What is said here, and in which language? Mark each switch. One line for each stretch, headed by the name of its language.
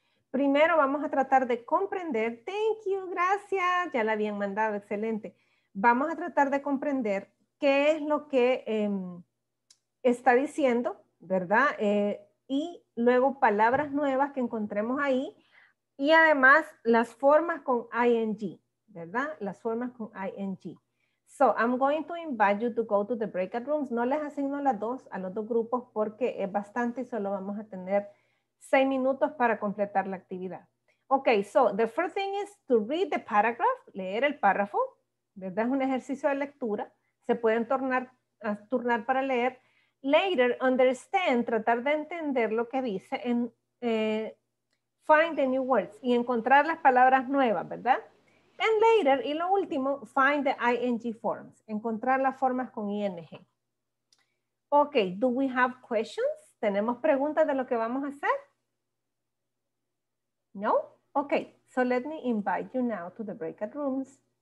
Spanish: Primero vamos a tratar de comprender,
English: thank you,
Spanish: gracias, ya la habían mandado, excelente. Vamos a tratar de comprender qué es lo que está diciendo, ¿verdad? Y luego palabras nuevas que encontremos ahí y además las formas con ing, ¿verdad? Las formas con ing.
English: So, I'm going to invite you to go to the breakout rooms.
Spanish: No les asigno las dos a los dos grupos porque es bastante y solo vamos a tener 6 minutos para completar la actividad.
English: Ok, so the first thing is to read the paragraph,
Spanish: leer el párrafo, ¿verdad? Es un ejercicio de lectura, se pueden turnar para leer.
English: Later, understand,
Spanish: tratar de entender lo que dice, en
English: find the new words
Spanish: y encontrar las palabras nuevas, ¿verdad?
English: And later,
Spanish: y lo último,
English: find the ing forms,
Spanish: encontrar las formas con ing.
English: Ok, do we have questions?
Spanish: ¿Tenemos preguntas de lo que vamos a hacer? No?
English: Okay, so let me invite you now to the breakout rooms.